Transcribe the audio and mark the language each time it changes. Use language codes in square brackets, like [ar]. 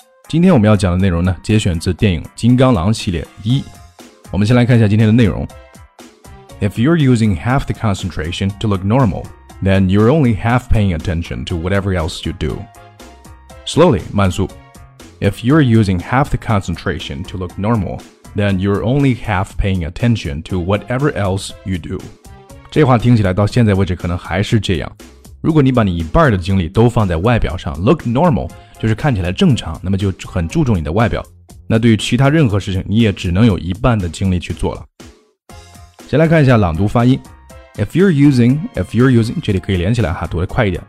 [zh] 今天我们要讲的内容呢，节选自电影《金刚狼》系列一。我们先来看一下今天的内容。 [en] If you're using half the concentration to look normal, then you're only half paying attention to whatever else you do. Slowly, [zh] 慢速。 [en] If you're using half the concentration to look normal, then you're only half paying attention to whatever else you do. [zh] 这话听起来到现在为止可能还是这样。如果你把你一半的精力都放在外表上 , [en] look normal, [zh] 就是看起来正常，那么就很注重你的外表。那对于其他任何事情你也只能有一半的精力去做了。先来看一下朗读发音。 [en] If you're using, [zh] 这里可以连起来哈，读得快一点。